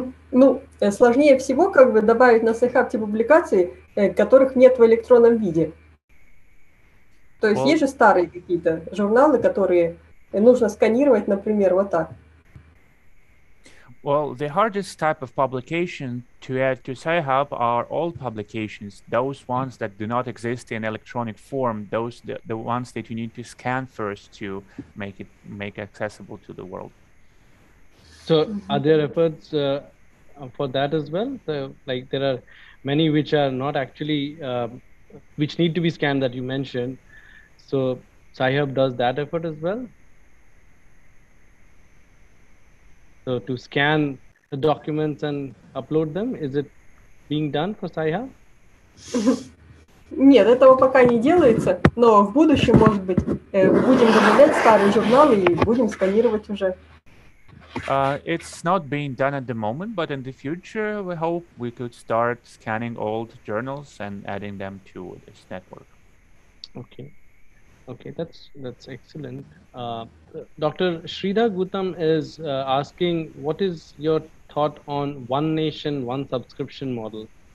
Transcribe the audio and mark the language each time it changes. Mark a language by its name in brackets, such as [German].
[Russian] Ну, сложнее всего как бы добавить на Sci-Hub те публикации, которых нет в электронном виде. То есть есть же старые какие-то журналы, которые нужно сканировать, например, вот так. [English] Well, the hardest type of publication to add to Sci-Hub are old publications, those ones that do not exist in electronic form, those the ones that you need to scan first to make accessible to the world. So are there efforts for that as well? So, like there are many which are not actually, which need to be scanned that you mentioned. So Sci-Hub does that effort as well? So to scan the documents and upload them, is it being done for Sci-Hub? [Russian] Нет, этого пока не делается, но в будущем, может быть, будем добавлять старые журналы и будем сканировать уже. [English] It's not being done at the moment, but in the future, we hope we could start scanning old journals and adding them to this network. Okay. Okay, that's excellent. Dr. Sridhar Gautam is asking, what is your thought on one nation, one subscription model?